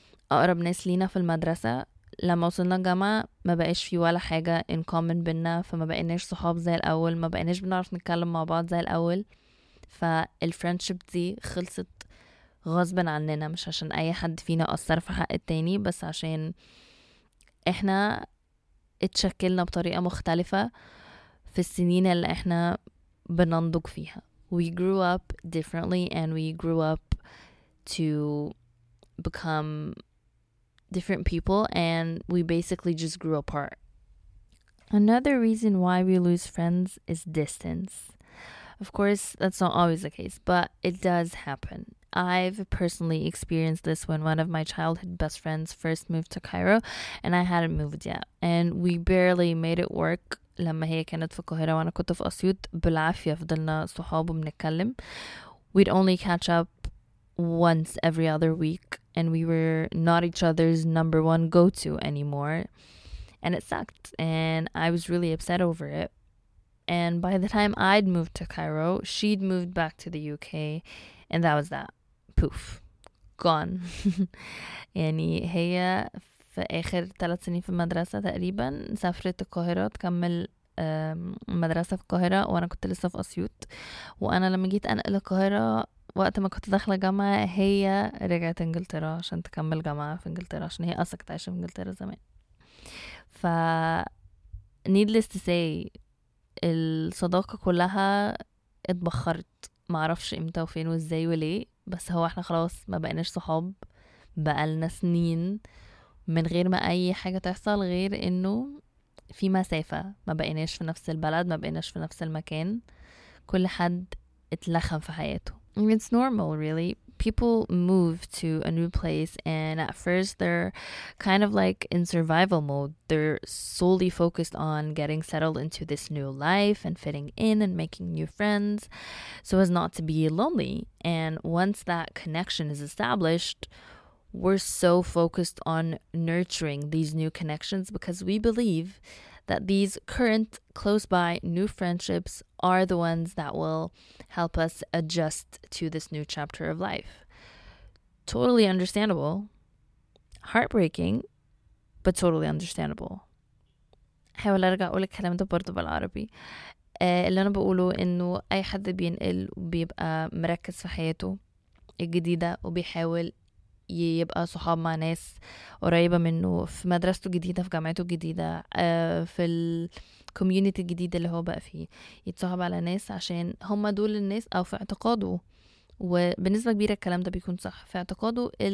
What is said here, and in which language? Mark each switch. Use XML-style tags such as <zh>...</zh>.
<ar>اقرب ناس لينا في المدرسة لما وصلنا الجامعة ما بقاش في ولا حاجة</ar> <en>in common</en> <ar>بينا، فما بقيناش صحاب زي الاول، ما بقيناش بنعرف نتكلم مع بعض زي الاول، فالفرنشيب دي خلصت غصبا عننا، مش عشان اي حد فينا قصر في حق التاني بس عشان احنا اتشكلنا بطريقة مختلفة في السنين اللي احنا بننضج فيها.</ar> <en>We grew up differently and we grew up to become different people and we basically just grew apart. Another reason why we lose friends is distance. Of course, that's not always the case, but it does happen. I've personally experienced this when one of my childhood best friends first moved to Cairo and I hadn't moved yet. And we barely made it work</en> <ar>لما هي كانت في القاهرة وأنا كنت في أسيوط، بالعافية فضلنا صحاب وبنتكلم.</ar> <en>We'd only catch up once every other week and we were not each other's number one go-to anymore. And it sucked and I was really upset over it. And by the time I'd moved to Cairo, she'd moved back to the UK and that was that. Poof. Gone.</en> <ar>يعني هي في آخر 3 سنين في المدرسة تقريبا سافرت القاهرة تكمل مدرسة في القاهرة وأنا كنت لسه في أسيوط، وأنا لما جيت أنقل القاهرة وقت ما كنت داخلة جامعة هي رجعت إنجلترا عشان تكمل جامعة في إنجلترا عشان هي أصلا كنت عايشة في إنجلترا زمان. ف</ar> <en>needless to say</en> <ar>الصداقة كلها اتبخرت، معرفش إمتى وفين وإزاي وليه، بس هو إحنا خلاص ما بقيناش صحاب بقالنا سنين من غير ما اي حاجه تحصل غير انه في مسافه، ما بقيناش في نفس البلد، ما بقيناش في نفس المكان، كل حد اتلخم في حياته.</ar> <en>It's normal really. People move to a new place and at first they're kind of like in survival mode. They're solely focused on getting settled into this new life and fitting in and making new friends so as not to be lonely. And once that connection is established, we're so focused on nurturing these new connections because we believe that these current, close by, new friendships are the ones that will help us adjust to this new chapter of life. Totally understandable, heartbreaking, but totally understandable.</en> <ar>حاول ارجع اقول الكلام ده برضو بالعربي. اللي انا بقوله انه اي حد بينقل وبيبقى مركز في حياته الجديدة وبيحاول يبقى صحاب مع ناس قريبة منه في مدرسته الجديدة في جامعته الجديدة في الكوميونيتي الجديدة اللي هو بقى فيه يتصاحب على ناس عشان هم دول الناس او في اعتقاده وبنسبة كبيرة الكلام ده بيكون صح في اعتقاده</ar>